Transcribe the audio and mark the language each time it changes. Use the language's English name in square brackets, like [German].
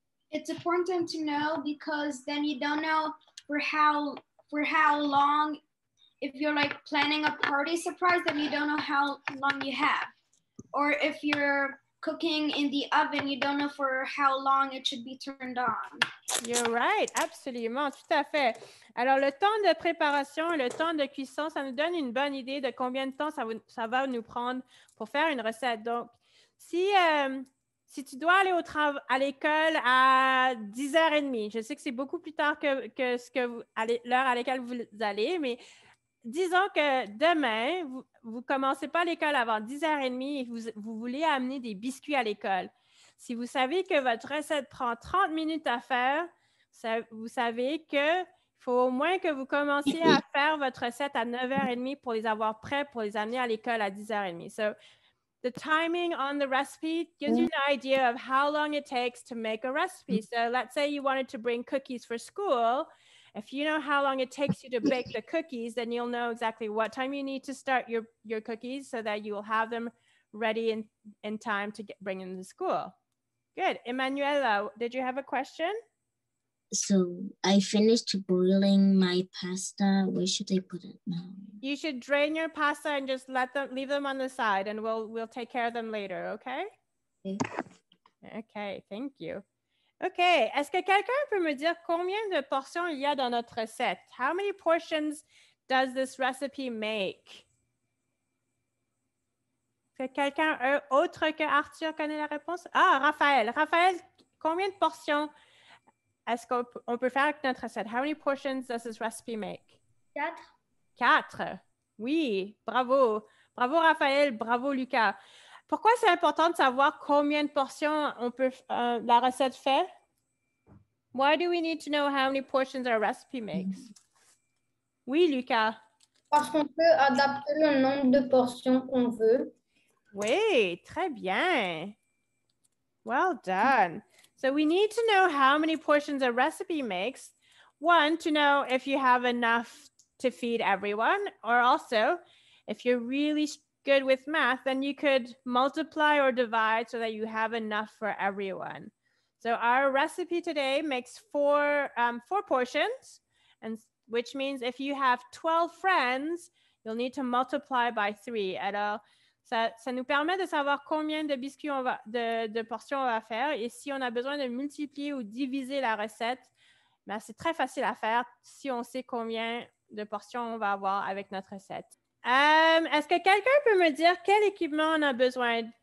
[English] It's important to know because then you don't know for how long if you're like planning a party surprise, then you don't know how long you have. Or if you're cooking in the oven, you don't know for how long it should be turned on. You're right, [French] absolument, tout à fait. Alors, le temps de préparation, le temps de cuisson, ça nous donne une bonne idée de combien de temps ça va nous prendre pour faire une recette. Donc, si tu dois aller à l'école à 10h30, je sais que c'est beaucoup plus tard l'heure à laquelle vous allez, mais disons que demain, vous ne commencez pas l'école avant 10h30 et vous voulez amener des biscuits à l'école. Si vous savez que votre recette prend 30 minutes à faire, vous savez qu'il faut au moins que vous commenciez à faire votre recette à 9h30 pour les avoir prêts pour les amener à l'école à 10h30. [English] So, the timing on the recipe gives you an idea of how long it takes to make a recipe. So, let's say you wanted to bring cookies for school. If you know how long it takes you to bake the cookies, then you'll know exactly what time you need to start your cookies so that you will have them ready in time to bring them to school. Good. Emanuela, did you have a question? So I finished boiling my pasta. Where should I put it now? You should drain your pasta and just leave them on the side and we'll take care of them later, okay? Okay, thank you. OK. [French] Est-ce que quelqu'un peut me dire combien de portions il y a dans notre recette? [English] How many portions does this recipe make? [French] Est-ce que quelqu'un autre que Arthur connaît la réponse? Ah, Raphaël. Raphaël, combien de portions est-ce qu'on peut faire avec notre recette? [English] How many portions does this recipe make? 4. [French] Oui, bravo. Bravo, Raphaël. Bravo, Lucas. Pourquoi c'est important de savoir combien de portions on peut la recette fait? [English] Why do we need to know how many portions our recipe makes? [French] Oui, Lucas. Parce qu'on peut adapter le nombre de portions qu'on veut. Oui, très bien. [English] Well done. So we need to know how many portions a recipe makes. One, to know if you have enough to feed everyone, or also if you're really good with math, then you could multiply or divide so that you have enough for everyone. So our recipe today makes four portions, and which means if you have 12 friends, you'll need to multiply by 3. [French] Alors, ça nous permet de savoir combien de biscuits de portions on va faire, et si on a besoin de multiplier ou diviser la recette, ben c'est très facile à faire si on sait combien de portions on va avoir avec notre recette. Est-ce que quelqu'un peut me dire quel équipement on a besoin?